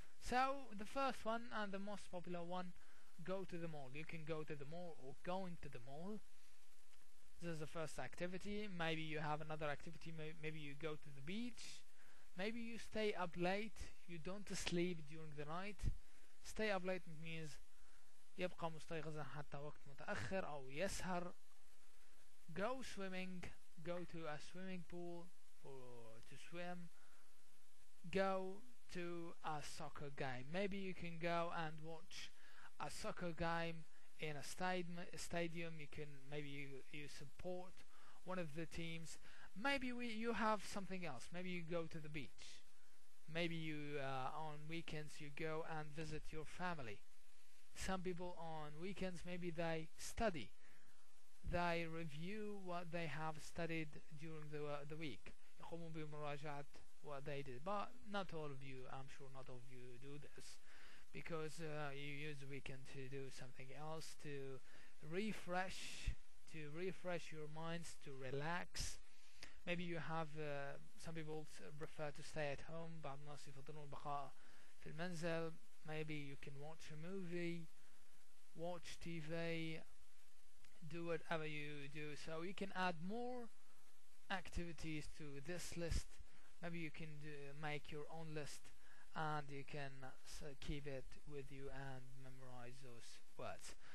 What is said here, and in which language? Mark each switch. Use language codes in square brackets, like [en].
[en] So the first one and the most popular one, go to the mall. You can go to the mall or going to the mall. This is the first activity. Maybe you have another activity, maybe you go to the beach. Maybe you stay up late, you don't sleep during the night. Stay up late means [ar] يبقى مستيقظا حتى وقت متأخر أو يسهر. [en] Go swimming, go to a swimming pool for to swim. Go to a soccer game. Maybe you can go and watch a soccer game in a stadium. You can maybe you support one of the teams. Maybe you have something else. Maybe you go to the beach. Maybe you on weekends you go and visit your family. Some people on weekends maybe they study. They review what they have studied during the week. [ar] يقومون بمراجعة [en] what they did. But not all of you, I'm sure not all of you do this, because you use the weekend to do something else, to refresh your minds, to relax. Maybe you have some people prefer to stay at home. [ar] بعض الناس يفضلون البقاء في المنزل. [en] Maybe you can watch a movie, watch TV, do whatever you do. So you can add more activities to this list. Maybe you can make your own list and you can keep it with you and memorize those words.